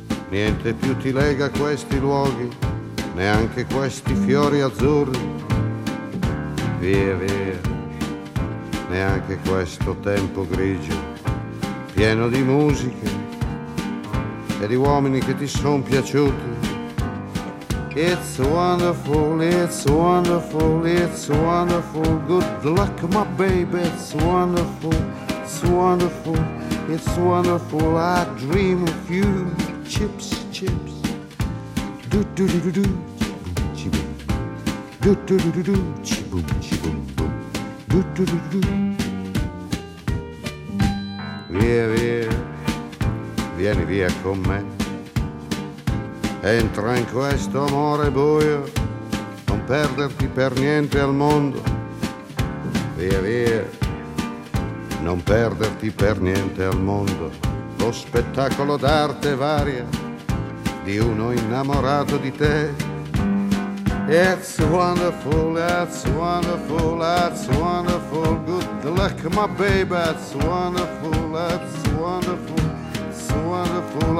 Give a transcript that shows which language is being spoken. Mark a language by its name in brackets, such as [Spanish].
[Italian] Niente più ti lega a questi luoghi, neanche questi fiori azzurri. Via, via, neanche questo tempo grigio, pieno di musiche e di uomini che ti son piaciuti. [English] It's wonderful, it's wonderful, it's wonderful. Good luck, my baby, it's wonderful, it's wonderful, it's wonderful. I dream of you, chips, chips. Do do do do do, chibum chibum. Do do do do do, chibum chibum boom. [Italian] Do do do do do. Via via, vieni via con me. Entra in questo amore buio, non perderti per niente al mondo. Via via, non perderti per niente al mondo. Lo spettacolo d'arte varia di uno innamorato di te. [English] It's wonderful, that's wonderful, that's wonderful. Good luck, my baby, that's wonderful, that's wonderful, it's wonderful.